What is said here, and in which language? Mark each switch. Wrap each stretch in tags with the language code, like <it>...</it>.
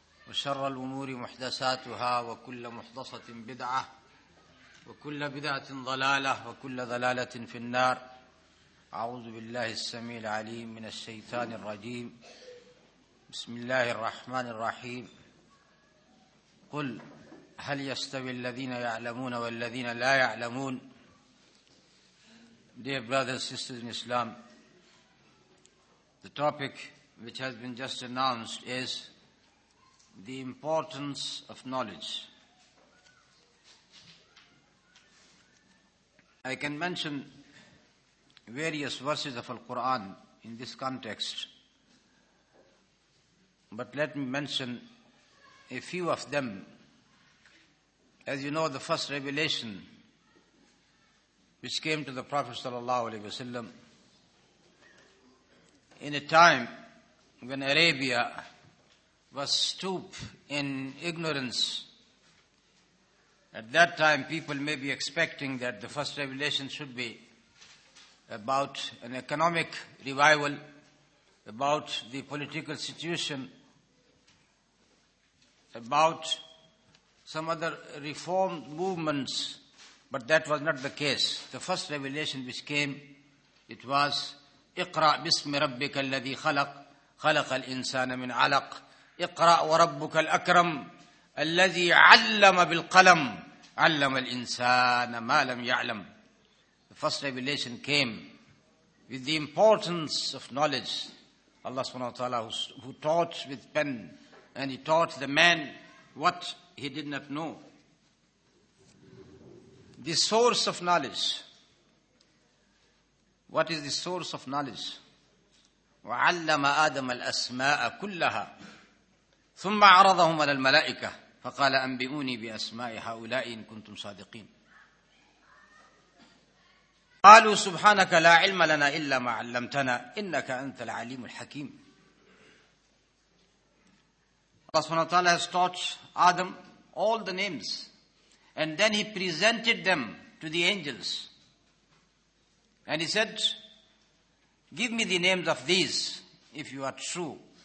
<ar>وشر الأمور محدثاتها وكل محدثة بدعة وكل بدعة ضلالة وكل ضلالة في النار أعوذ بالله السميع العليم من الشيطان الرجيم بسم الله الرحمن الرحيم قل هل يستوي الذين يعلمون والذين لا يعلمون.</ar> <en>Dear brothers and sisters in Islam, the topic which has been just announced is the importance of knowledge. I can mention various verses of Al-Quran in this context, but let me mention a few of them. As you know, the first revelation which came to the Prophet sallallahu alaihi wasallam in a time when Arabia was stooped in ignorance. At that time, people may be expecting that the first revelation should be about an economic revival, about the political situation, about some other reform movements, but that was not the case. The first revelation which came, it was</en> <ar>اقرأ بسم ربك الذي خلق خلق الإنسان من علق اقرأ وربك الأكرم الذي علم بالقلم علم الإنسان ما لم يعلم.</ar> <en>The first revelation came with the importance of knowledge. Allah subhanahu wa ta'ala who taught with pen, and he taught the man what he did not know. The source of knowledge. What is the source of knowledge?</en> <ar>وعلم آدم الأسماء كلها ثم عرضهم على الملائكة فقال أنبئوني بأسماء هؤلاء إن كنتم صادقين. قالوا سبحانك لا علم لنا إلا ما علمتنا إنك أنت العليم الحكيم.</ar> <en>Allah subhanahu wa ta'ala has taught Adam all the names, and then he presented them to the angels. And he said, give me the names of these if you are true.</en>